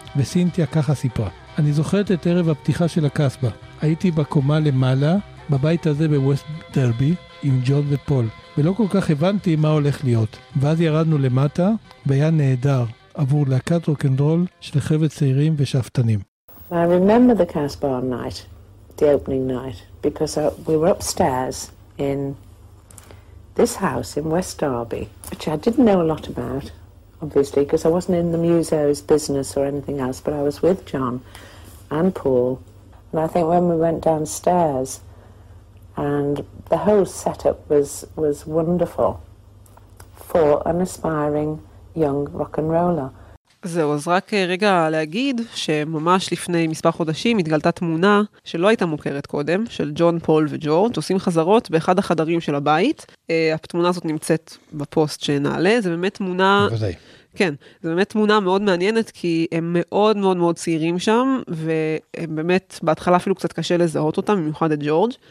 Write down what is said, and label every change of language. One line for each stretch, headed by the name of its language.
Hebrew: וסינתיה ככה סיפרה. אני זוכרת את ערב הפתיחה של הקסבה. הייתי בקומה למעלה, בבית הזה בווסט דרבי, עם ג'ון ופול. ולא כל כך הבנתי מה הולך להיות. ואז ירדנו למטה, והיה נהדר עבור להקת רוקנרול של חבר'ה צעירים ושפטנים.
English: I remember the Casbah night, the opening night, because we were upstairs in this house in West Derby, which I didn't know a lot about, obviously, because I wasn't in the museo's business or anything else, but I was with John and Paul. And I think when we went downstairs, and the whole setup was wonderful for an aspiring young rock and roller.
Hebrew: זהו, אז רק רגע להגיד שממש לפני מספר חודשים התגלתה תמונה שלא הייתה מוכרת קודם, של ג'ון, פול וג'ורג' עושים חזרות באחד החדרים של הבית. התמונה הזאת נמצאת בפוסט שנעלה, זה באמת תמונה... בוודאי. כן, זה באמת תמונה מאוד מעניינת, כי הם מאוד מאוד מאוד צעירים שם, והם באמת, בהתחלה אפילו קצת קשה לזהות אותם, במיוחד את ג'ורג'.